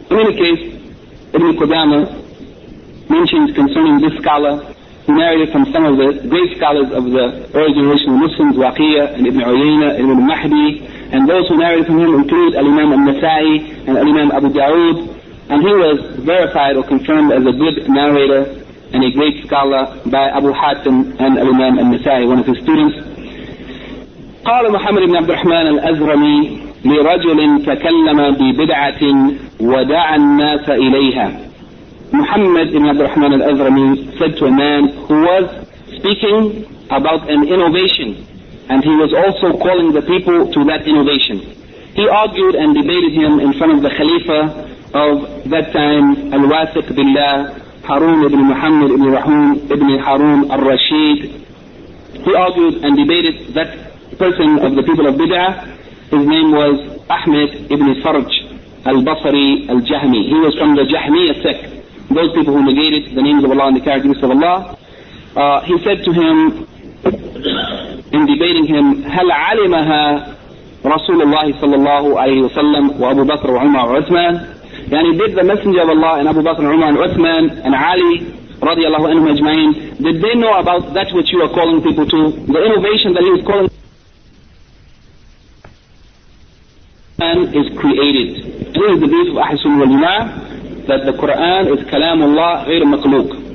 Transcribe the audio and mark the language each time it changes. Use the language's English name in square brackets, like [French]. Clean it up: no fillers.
[English] In any case, Ibn Qudama mentions concerning this scholar, he narrated from some of the great scholars of the early generation of Muslims, Waqiyya and Ibn Uyayna and Ibn Mahdi, and those who narrated from him include Al-Imam al-Nasa'i and Al-Imam Abu Dawud, and he was verified or confirmed as a good narrator and a great scholar by Abu Hatim and Al-Imam al-Nasa'i, one of his students. [Arabic] قال محمد بن عبد الرحمن الأزرمي لرجل تكلم ببدعة ودعا الناس إليها. [English] Muhammad ibn Abdul Rahman al-Azrami said to a man who was speaking about an innovation, and he was also calling the people to that innovation. He argued and debated him in front of the Khalifa of that time, Al-Wathiq Billah, Harun ibn Muhammad ibn Rahun ibn Harun al-Rashid. He argued and debated that person of the people of Bid'ah. His name was Ahmed ibn Farj al-Basri al-Jahmi. He was from the Jahmiya sect, those people who negated the names of Allah and the characters of Allah. He said to him, in debating him, [Arabic] هَلْ عَلِمَهَا رَسُولُ اللَّهِ صَلَّى اللَّهُ عَلَيْهِ وَسَلَّمْ وَأَبُو بَكْرَ وَعُمَرَ وَعُثْمَانَ. [English] Yani, did the messenger of Allah and Abu Bakr, Umar and Uthman and Ali radiallahu anhu ajma'in, did they know about that which you are calling people to? The innovation that he was calling man is created. This is the belief of Ahl Sunnah wal Jama'ah, that the Qur'an is kalamullah ghayr maqluq.